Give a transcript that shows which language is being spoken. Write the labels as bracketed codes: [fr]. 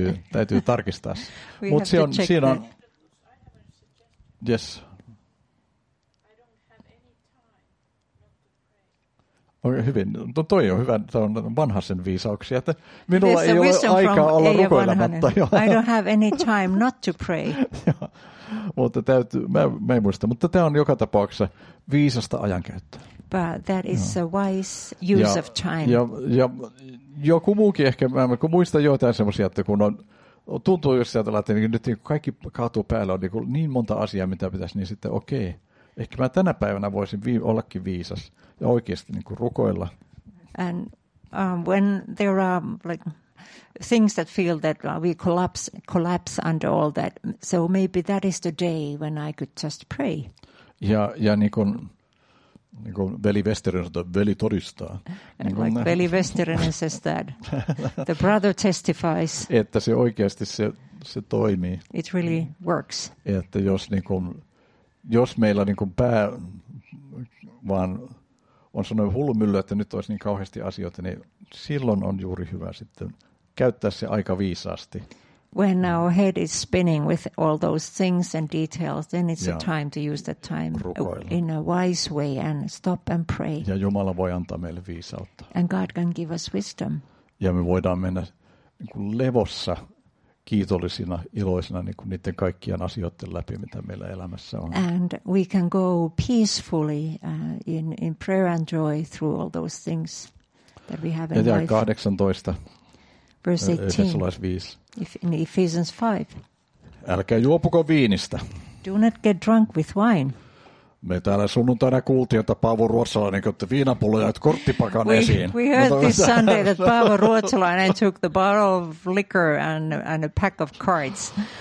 [fi] Täytyy tarkistaa. Mut se on siinä. [en] Yes. [fi] Okay, hyvin. No toi on hyvä, toi on Vanhasen viisauksia, että minulla ei ole aikaa olla rukoilematta. [en] I don't have any time not to pray. [fi] Mutta täytyy, mä en muista, mutta tämä on joka tapauksessa viisasta ajankäyttöä. [en] But that is a wise use of time. [fi] Ja joku muukin ehkä, mä muistan joitain semmoisia, että kun on, tuntuu just sieltä, että nyt kaikki kaatuu päälle, on niin monta asiaa, mitä pitäisi, niin sitten okei. Ehkä mä tänä päivänä voisin ollakin viisas ja oikeasti niin kuin rukoilla. [en] And when there are like things that feel that we collapse under all that, so maybe that is the day when I could just pray. [fi] Ja niin kuin veli Westerinen sanoi, veli todistaa. [en] Like veli Westerinen says that the brother testifies. [fi] Että se oikeasti se toimii. [en] It really works. [fi] Että jos niin kuin jos meillä niin kuin pää vaan on sanonut hullumyllyä, että nyt olisi niin kauheasti asioita, niin silloin on juuri hyvä sitten käyttää se aika viisaasti. [en] When our head is spinning with all those things and details, then it's a time to use that time [fi] rukoilla. [en] In a wise way and stop and pray. [fi] Ja Jumala voi antaa meille viisautta. [en] And God can give us wisdom. [fi] Ja me voidaan mennä niin kuin levossa. Kiitollisina, iloisina niin kuin niiden kaikkien asioiden läpi, mitä meillä elämässä on. [en] And we can go peacefully in prayer and joy through all those things that we have in life. 18. Verse 18. In Ephesians 5. [fi] Älkää juopuko viinistä. [en] Do not get drunk with wine. [fi] Me täällä sunnuntaina kuultiin, että Paavo Ruotsalainen otti viinapulloja korttipakan esiin. [en] We heard this Sunday that Paavo Ruotsalainen took the bottle of liquor and a pack of cards.